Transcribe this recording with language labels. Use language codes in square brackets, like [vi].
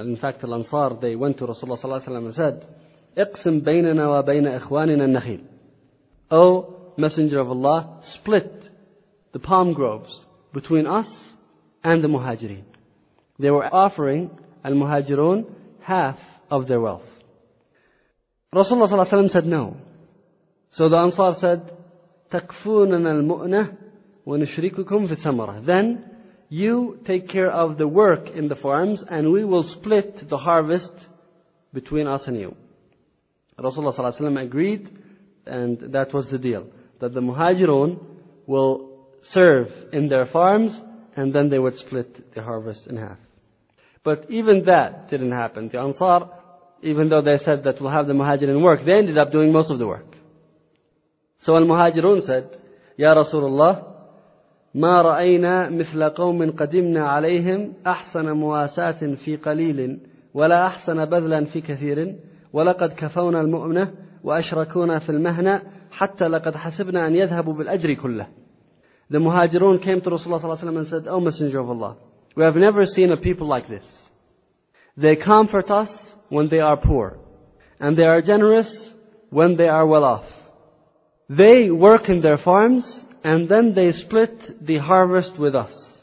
[en] In fact, Al-Ansar, they went to Rasulullah sallallahu alaihi wasallam and said, [ar] اقسم بيننا وبين إخواننا النخيل. [en] O Messenger of Allah, split the palm groves between us and the Muhajirin. They were offering Al-Muhajirun half of their wealth. Rasulullah sallallahu alaihi wasallam said no. So the Ansar said, [ar] تَكْفُونَنَا الْمُؤْنَةِ وَنُشْرِكُكُمْ فِي ثَمَرَةِ. [en] Then you take care of the work in the farms and we will split the harvest between us and you. Rasulullah sallallahu alaihi wasallam agreed, and that was the deal, that the Muhajirun will serve in their farms and then they would split the harvest in half. But even that didn't happen. The Ansar, even though they said that we'll have the Muhajirin work, they ended up doing most of the work. So Al-Muhajirun said, [ar] Ya Rasulullah, مَا رَأَيْنَا مِثْلَ قَوْمٍ قَدِمْنَا عَلَيْهِمْ أَحْسَنَ مُوَاسَاتٍ فِي قَلِيلٍ وَلَا أَحْسَنَ بَذْلًا فِي كَثِيرٍ وَلَقَدْ كَفَوْنَا الْمُؤْمِنَةِ وَأَشْرَكُونَا فِي الْمَهْنَةِ حَتَّى لَقَدْ حَسِبْنَا أَنْ يَذْهَبُوا بِالْأَجْرِ كُلَّهِ. [en] The Muhajirun came to Rasulullah sallallahu alayhi wa sallam and said, O Messenger of Allah, we have never seen a people like this. They comfort us when they are poor, and they are generous when they are well off. They work in their farms, and then they split the harvest with us.